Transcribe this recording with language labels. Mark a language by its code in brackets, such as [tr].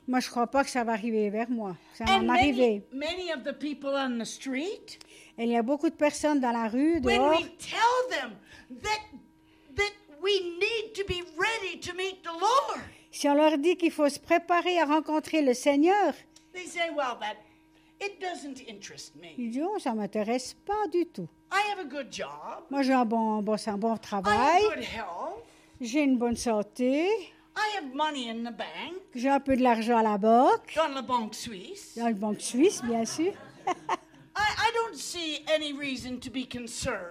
[fr] Moi je crois pas que ça va arriver vers moi. Ça [en] and [fr] va m'arriver. [en] Many of the people on the street. [fr] Et il y a beaucoup de personnes dans la rue dehors. [en] When we tell them that we need to be ready to meet the Lord. [fr] Si on leur dit qu'il faut se préparer à rencontrer le Seigneur. [en] They say well that it doesn't interest me. [fr] Ils disent, oh, ça m'intéresse pas du tout. [en] I have a good job. [fr] Moi j'ai un bon travail. [en] I have good health. [fr] J'ai une bonne santé. [en] I have money in the bank. [fr] J'ai un peu de l'argent à la banque. Dans la banque suisse. Dans la banque suisse, bien sûr. [en] I don't see any reason to be concerned.